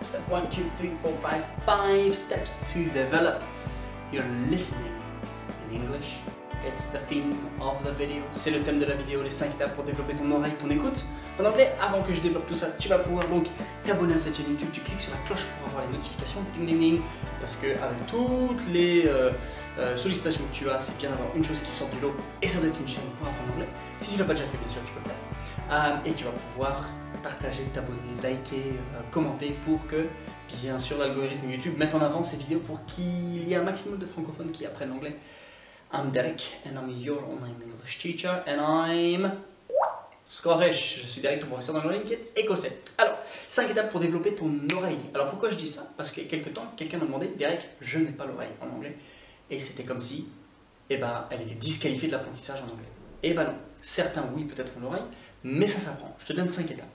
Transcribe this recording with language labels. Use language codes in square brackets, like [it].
[en] Step one, two, three, four, five. Five steps to develop your listening in English. It's the theme of the video. [fr] C'est le thème de la vidéo, les 5 étapes pour développer ton oreille, ton écoute en anglais. Avant que je développe tout ça, tu vas pouvoir donc t'abonner à cette chaîne YouTube. Tu cliques sur la cloche pour avoir les notifications. Ding, ding, ding. Parce que avec toutes les sollicitations que tu as, c'est bien d'avoir une chose qui sort du lot. Et ça doit être une chaîne pour apprendre l'anglais. Si tu ne l'as pas déjà fait, bien sûr, tu peux le faire. Et tu vas pouvoir partager, t'abonner, liker, commenter pour que, bien sûr, l'algorithme YouTube mette en avant ces vidéos pour qu'il y ait un maximum de francophones qui apprennent l'anglais. [en] I'm Derek and I'm your online English teacher and I'm Scottish. [fr] Je suis Derek, ton professeur d'anglais qui est écossais. Alors, 5 étapes pour développer ton oreille. Alors, pourquoi je dis ça? Parce qu'il y a quelques temps, quelqu'un m'a demandé, Derek, je n'ai pas l'oreille en anglais. Et c'était comme si, elle était disqualifiée de l'apprentissage en anglais. Eh ben non, certains oui, peut-être ont l'oreille, mais ça s'apprend. Je te donne 5 étapes.